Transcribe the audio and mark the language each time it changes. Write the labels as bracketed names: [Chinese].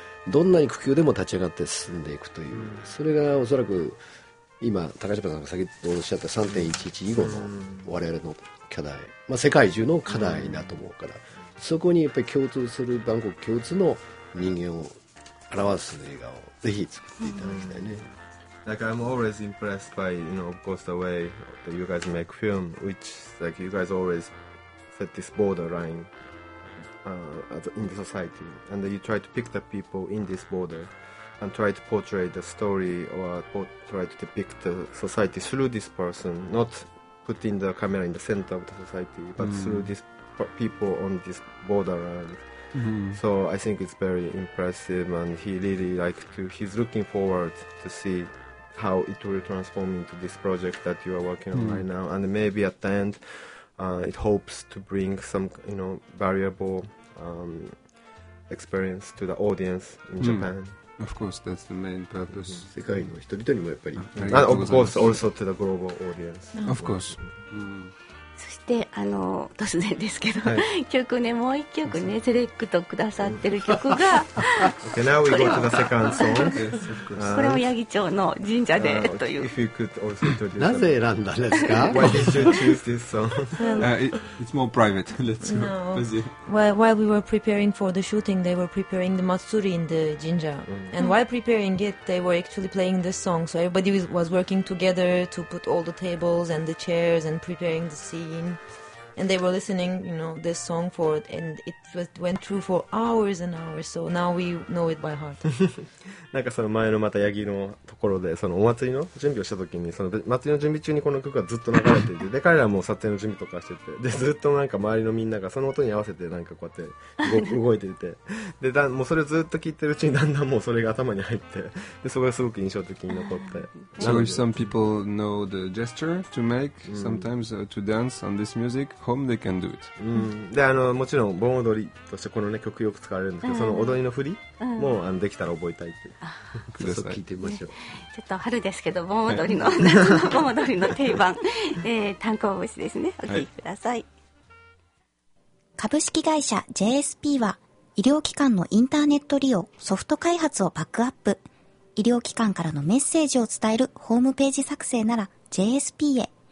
[Japanese] どんなに苦境でも立ち上がって進んでいくという、それがおそらく今高島さんが先ほどおっしゃった 3.11 以後の我々の課題、まあ、世界中の課題だと思うから、そこにやっぱり共通するバンコク共通の人間を表す映画をぜひ作っていただきたいね。 [English] Like, I'm always impressed by, you know, of course, the way that you guys make film, which, like, you guys always set this borderline in the society. And then you try to pick the people in this border and try to portray the story or try to depict the society through this person, not putting the camera in the center of the society, but through these people on this borderline. So I think it's very impressive, and he really, like, he's looking forward to see... how it will transform into this project that you are working on right now, and maybe at the end it hopes to bring some, you know, variable experience to the audience in Japan. Of course, that's the main purpose. [Japanese] 世界の人々にもやっぱり、 [English] and of course also to the global audience. Of course. [Japanese] そしてあの突然ですけど、曲ね、もう一曲ね、セレクトくださってる曲が、 [English] okay, now we go to the second song. Yes, of course. [Japanese] これも八木町の神社でという。 [English] If you could also introduce that. [Japanese] なぜ選んだんですか？ [English] Why did you choose this song? It's more private. Let's go. While we were preparing for the shooting, they were preparing the matsuri in the Jinja. And while preparing it, they were actually playing this song. So everybody was working together to put all the tables and the chairs and preparing the scene. And they were listening, you know, this song for it, and it went through for hours and hours. So now we know it by heart. [Japanese] なんかその前のまたヤギのところで、そのお祭りの準備をしたときに、その祭りの準備中にこの曲がずっと流れていて、で彼らも撮影の準備とかしてて、でずっとなんか周りのみんながその音に合わせてなんかこうやって動いていて、でだもうそれをずっと聞いてるうちにだんだんもうそれが頭に入って、でそれがすごく印象的に残って。 [English] So some people know the gesture to make sometimes to dance on this music. Home they can do it. [Japanese] であのもちろん盆踊りとしてこの、ね、曲よく使われるんですけど、その踊りの振りも、うん、あのできたら覚えたいってちょっと聞いてみましょう、ね、ちょっと春ですけど盆踊りの、はい、盆踊りの定番、炭鉱節ですね、お聞きください、はい、株式会社 JSP は医療機関のインターネット利用ソフト開発をバックアップ、医療機関からのメッセージを伝えるホームページ作成なら JSP へ。